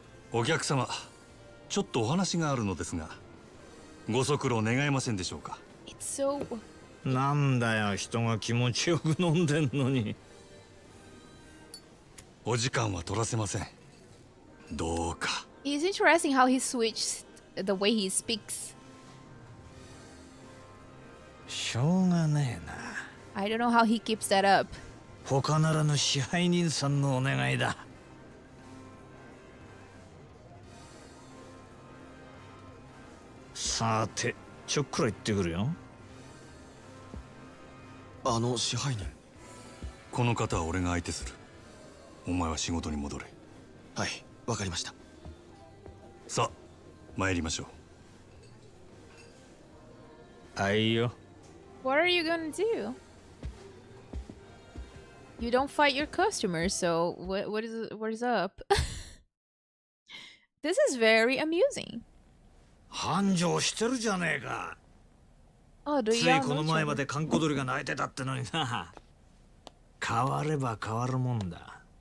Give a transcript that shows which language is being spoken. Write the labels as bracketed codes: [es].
[ja] お客様、ちょっとお話があるのですが、ご足労願えませんでしょうか。 [en] It's so... [ja] なんだよ、人が気持ちよく飲んでんのに。お時間は取らせません。どうか。 [en] It's interesting how he switched the way he speaks. [ja] しょうがねえな。 [en] I don't know how he keeps that up. [ja] 他ならぬ支配人さんのお願いだ。さて、ちょっくら行ってくるよ。あの支配人。この方は俺が相手する。お前は仕事に戻れ。はい、わかりました。さ、参りましょう。あいよ。 [en] What are you gonna do? You don't fight your customers, so what is up? This is very amusing. [ja] 繁盛してるじゃねえか。ついこの前までカンコドリが鳴いてたってのにな。変われば変わるもんだ。